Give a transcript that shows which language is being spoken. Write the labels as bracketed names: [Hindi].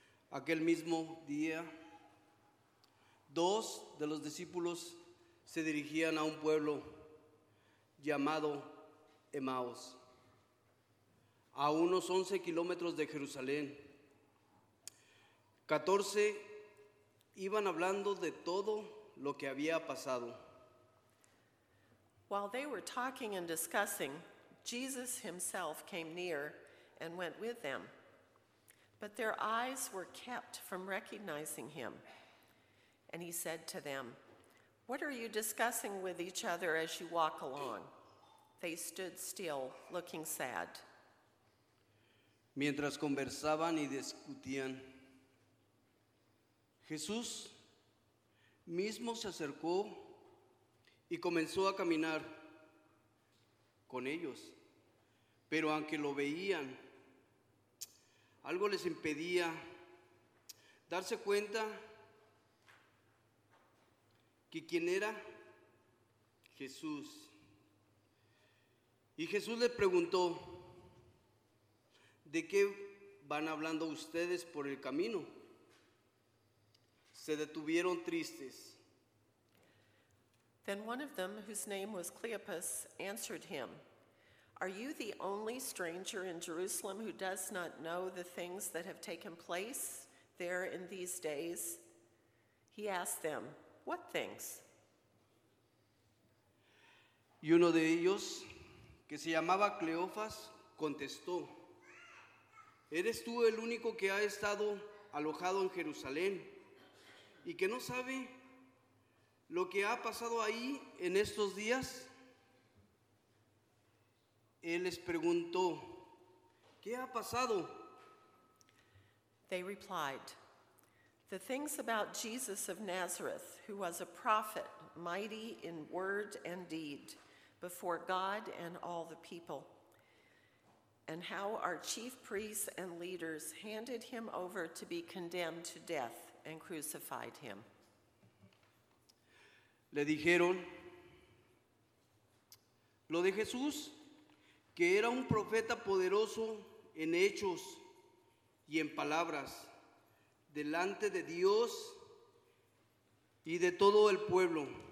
[Spanish] Aquel mismo día, dos de los discípulos se dirigían a un pueblo llamado Emmaus, a unos 11 kilómetros de Jerusalén. 14 iban hablando de todo lo que había pasado. [English] While they were talking and discussing, Jesus himself came near and went with them. But their eyes were kept from recognizing him. And he said to them, "What are you discussing with each other as you walk along?" They stood still, looking sad. [Spanish] Mientras conversaban y discutían, Jesús mismo se acercó y comenzó a caminar con ellos. Pero aunque lo veían, algo les impedía darse cuenta que quién era Jesús. Y Jesús les preguntó, ¿de qué van hablando ustedes por el camino? Se detuvieron tristes. [English] Then one of them, whose name was Cleopas, answered him, "Are you the only stranger in Jerusalem who does not know the things that have taken place there in these days?" He asked them, "What things?" [Spanish] Y uno de ellos, que se llamaba Cleofas, contestó, "¿Eres tú el único que ha estado alojado en Jerusalén y que no sabe lo que ha pasado ahí en estos días?" Él les preguntó, "¿Qué ha pasado?" [English] They replied, "The things about Jesus of Nazareth, who was a prophet, mighty in word and deed, before God and all the people, and how our chief priests and leaders handed him over to be condemned to death and crucified him." [Spanish] Le dijeron, "Lo de Jesús, que era un profeta poderoso en hechos y en palabras, delante de Dios y de todo el pueblo,